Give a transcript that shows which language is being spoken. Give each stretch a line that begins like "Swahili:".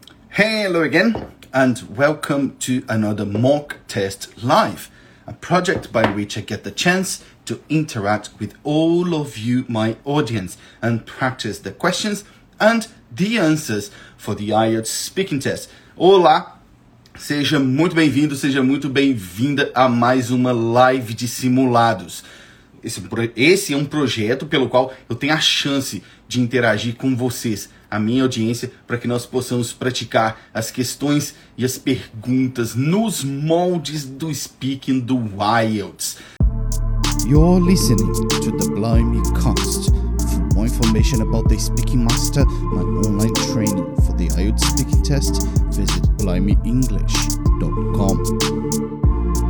English: Hello again, and welcome to another Mock Test Live, a project by which I get the chance to interact with all of you, my audience, and practice the questions and the answers for the IELTS speaking test.
Portuguese: Olá! Seja muito bem-vindo, seja muito bem-vinda a mais uma live de simulados. Esse é um projeto pelo qual eu tenho a chance de interagir com vocês, a minha audiência, para que nós possamos praticar as questões e as perguntas nos moldes do speaking do IELTS.
English: You're listening to the Blimey Cast. For more information about the Speaking Master, my online training for the IELTS speaking test, visit blimeyenglish.com.